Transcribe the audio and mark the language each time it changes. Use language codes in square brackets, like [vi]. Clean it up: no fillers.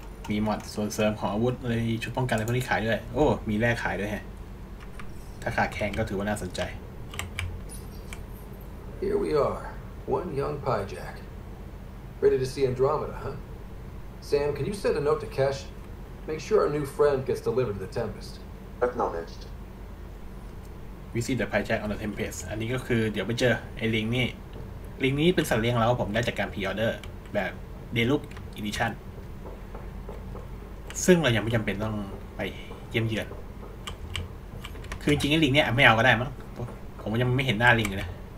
[th] มีหมดส่วนเสริมของอาวุธเลยชุดป้องกันอะไรพวกนี้ขายด้วยโอ้มีแร่ขายด้วยฮะถ้าขาแข็งก็ถือว่าน่าสนใจ [en] Here we are one young pijack ready to see Andromeda huh Sam can you send a note to Kesh make sure our new friend gets delivered to the Tempest acknowledged we see the pijack on the Tempest [th] อันนี้ก็คือเดี๋ยวไปเจอไอ้ลิงนี้เป็นสัตว์เลี้ยงแล้วผมได้จากการพรีออเดอร์แบบเดลุกอีดิชั่นซึ่งเรายังไม่จำเป็นต้องไปเยี่ยมเยือนคือจริงๆไอ้ลิงเนี่ยไม่เอาก็ได้มั้งผมยังไม่เห็นหน้าลิงเลยนะ